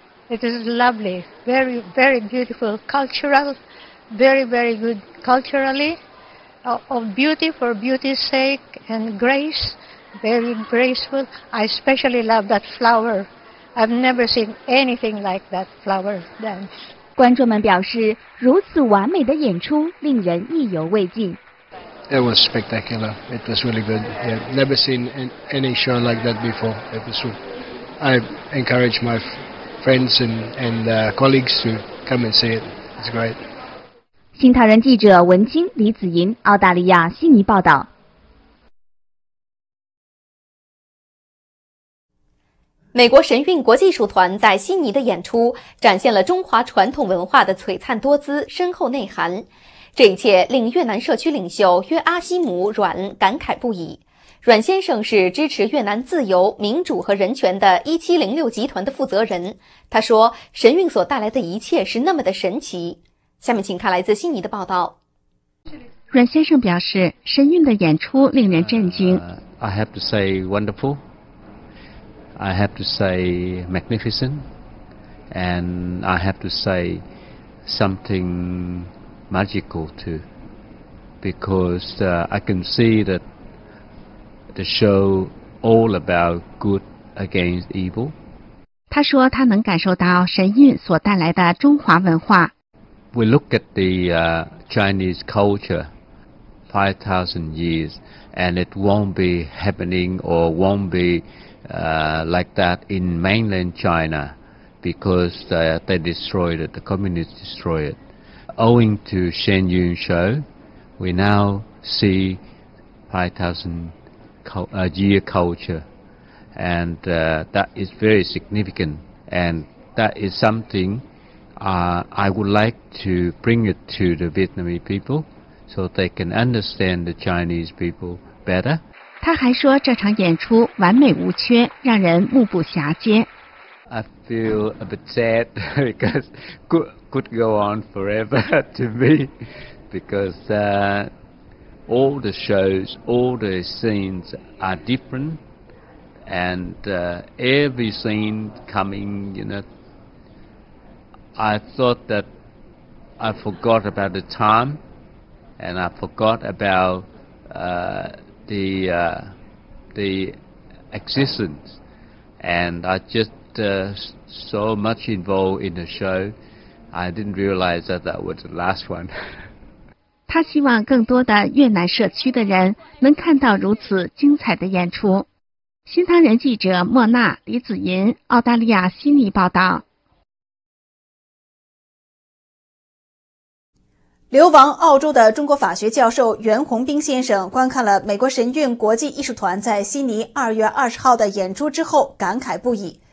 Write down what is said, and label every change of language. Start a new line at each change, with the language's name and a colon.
English: It is lovely, very, very beautiful, cultural, very, very good culturally, of beauty for beauty's sake, and grace, very graceful. I especially love that flower. I've never seen anything like that flower dance.
Chinese: 观众们表示，如此完美的演出令人意犹未尽。
English: It was spectacular. It was really good. Yeah, never seen any show like that before. It was. I encourage my friends and colleagues to come and see it. It's great.
Chinese: 新唐人记者文清、李子银，澳大利亚悉尼报道。美国神韵国际艺术团在悉尼的演出展现了中华传统文化的璀璨多姿、深厚内涵，这一切令越南社区领袖约阿希姆·阮感慨不已。阮先生是支持越南自由、民主和人权的1706集团的负责人，他说神韵所带来的一切是那么的神奇。下面请看来自悉尼的报道。阮先生表示，神韵的演出令人震惊。
English: I have to say wonderful. I have to say magnificent. And I have to say something magical too. Because I can see that the show all about good against evil.
Chinese: 他说他能感受到神韵所带来的中华文化。
English: We look at the Chinese culture 5,000 years and it won't be happening or won't be like that in mainland China because they destroyed it, the communists destroyed it. Owing to Shen Yun show, we now see 5,000 year culture and that is very significant and that is somethingI would like to bring it to the Vietnamese people so they can understand the Chinese people better.
Chinese: 他还说这场演出完美无缺，让人目不暇接。
English: I feel a bit sad because could go on forever to me because all the shows, all the scenes are different and every scene coming, you know,I thought that I forgot about the time and I forgot about the existence and I just so much involved in the show I didn't realize that that was the last one.
Chinese: 他希望更多的越南社区的人能看到如此精彩的演出。新唐人记者莫娜、李子银，澳大利亚悉尼报道。流亡澳洲的中国法学教授袁宏斌先生观看了美国神韵国际艺术团在悉尼2月20号的演出之后感慨不已。